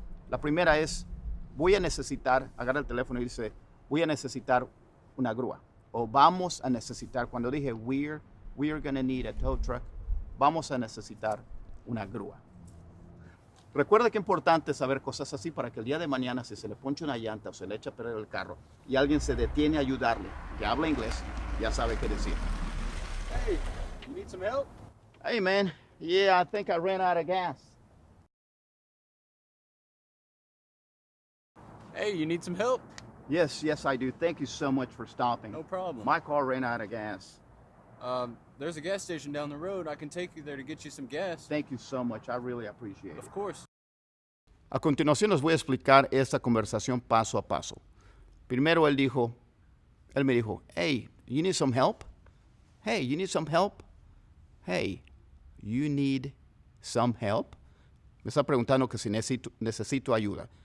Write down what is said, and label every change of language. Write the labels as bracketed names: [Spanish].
[Spanish] La primera es, voy a necesitar, agarra el teléfono y dice, voy a necesitar una grúa, o vamos a necesitar, cuando dije [English] we are gonna need a tow truck, [Spanish] vamos a necesitar una grúa. Recuerda que es importante saber cosas así para que el día de mañana, si se le ponche una llanta o se le echa a perder el carro y alguien se detiene a ayudarle, que habla inglés, ya sabe qué decir. [English] Hey, you need some help? Hey man, yeah, I think I ran out of gas. Hey, you need some help? Yes, I do. Thank you so much for stopping. No problem. My car ran out of gas. There's a gas station down the road. I can take you there to get you some gas. Thank you so much. I really appreciate it. Of course. [Spanish] A continuación les voy a explicar esta conversación paso a paso. Primero él me dijo, [English] hey, you need some help? Hey, you need some help? Hey, you need some help? [Spanish] Me está preguntando que si necesito ayuda.